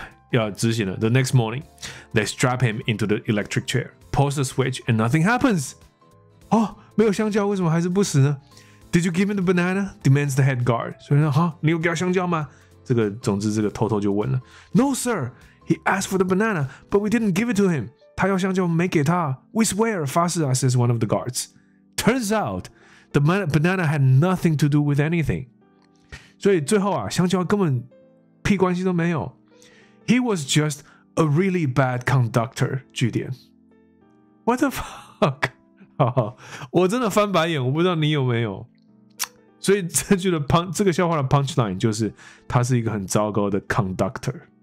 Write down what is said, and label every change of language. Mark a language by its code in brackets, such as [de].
[zh] 要执行了。 [en] The next morning, they strap him into the electric chair, pulls the switch, and nothing happens. [zh] 哦，没有香蕉，为什么还是不死呢 ？ [en] Did you give him the banana? Demands the head guard. [zh] 所以说，哈，你有给他香蕉吗？这个，总之，这个偷偷就问了。 [en] No, sir. He asked for the banana, but we didn't give it to him. [zh] 他要香蕉，没给他。 [en] We swear, [zh] 发誓啊 [en] ，says one of the guards. Turns out, the banana had nothing to do with anything. [zh] 所以最后啊，香蕉根本屁关系都没有。 [en] He was just a really bad conductor. [zh] 句点 [en] What the fuck? [zh] 我真的翻白眼，我不知道你有没有。所以这句的 这个笑话的 punchline 就是他是一个很糟糕的 conductor。